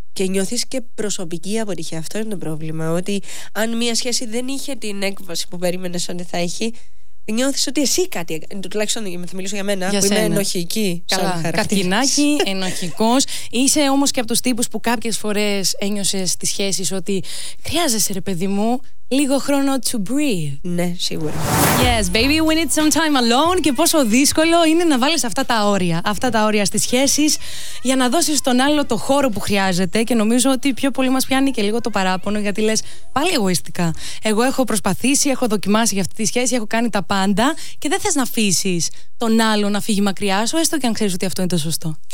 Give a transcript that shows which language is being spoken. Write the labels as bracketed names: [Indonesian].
[Greek] Και νιώθεις και προσωπική αποτυχία. Αυτό είναι το πρόβλημα. Ότι αν μια σχέση δεν είχε την έκβαση που περίμενες ότι θα έχει. Νιώθεις ότι εσύ κάτι. Τουλάχιστον θα μιλήσω για μένα, για που σένα. Είμαι ενοχική. Καλά. Καρκινάκι, ενοχικός. Είσαι όμως και από τους τύπους που κάποιες φορές ένιωσες τις σχέσεις ότι χρειάζεσαι, ρε παιδί μου, λίγο χρόνο [English] to breathe. [Greek] Ναι, σίγουρα. [English] Yes, baby, we need some time alone. [Greek] Και πόσο δύσκολο είναι να βάλεις αυτά τα όρια. Αυτά τα όρια στις σχέσεις για να δώσεις στον άλλο το χώρο που χρειάζεται. Και νομίζω ότι πιο πολύ μας πιάνει και λίγο το παράπονο, γιατί λες πάλι εγωιστικά. Εγώ έχω προσπαθήσει, έχω δοκιμάσει για αυτή τη σχέση, έχω κάνει τα πάντα. Και δεν θες να αφήσεις τον άλλο να φύγει μακριά σου, έστω και αν ξέρεις ότι αυτό είναι το σωστό.